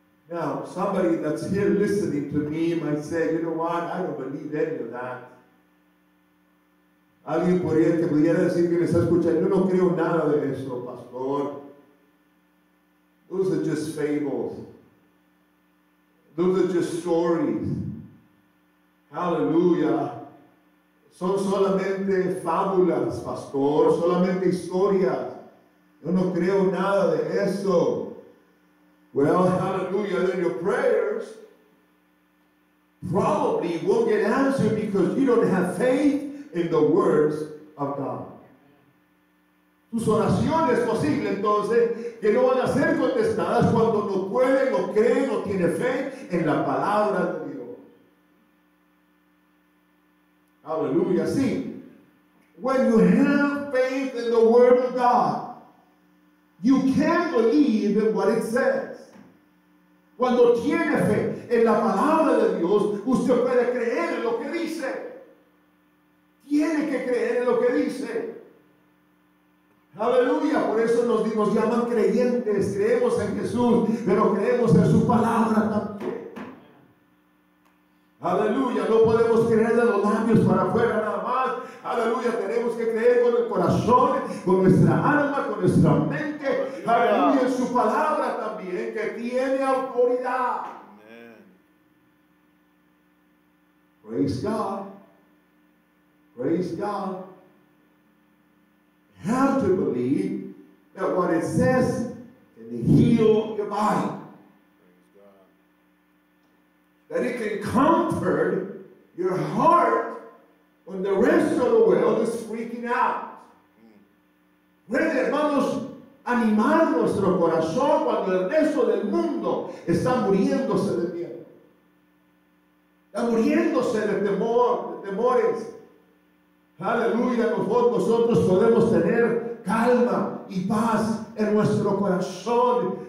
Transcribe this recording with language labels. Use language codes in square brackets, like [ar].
[en] Now, somebody that's here listening to me might say, you know what, I don't believe any of that. [es] Alguien podría, que pudiera decir que me está escuchando, yo no creo nada de eso, pastor. [en] Those are just fables. Those are just stories. [es] Hallelujah. Son solamente fábulas, pastor, solamente historias. Yo no creo nada de eso. [en] Well, hallelujah, then your prayers probably won't get answered because you don't have faith in the words of God. [es] Tus oraciones posibles, entonces, que no van a ser contestadas cuando no puede, no cree, no tiene fe en la palabra de Dios. Hallelujah, sí. [en] When you have faith in the word of God, you can believe in what it says. [es] Cuando tiene fe en la palabra de Dios, usted puede creer en lo que dice. Tiene que creer en lo que dice. Aleluya, por eso nos llaman creyentes. Creemos en Jesús, pero creemos en su palabra también. Aleluya, no podemos creer de los labios para afuera nada más. Aleluya, tenemos que creer con el corazón, con nuestra alma, con nuestra mente. Aleluya, en su palabra también, que tiene autoridad. [en] Amen. Praise God. Praise God. You have to believe that what it says can heal your body. Praise God. That it can comfort your heart when the rest of the world is freaking out. [es] Puede, hermanos, animar nuestro corazón cuando el resto del mundo está muriéndose de miedo, está muriéndose de temor, de temores. Aleluya, nosotros podemos tener calma y paz en nuestro corazón.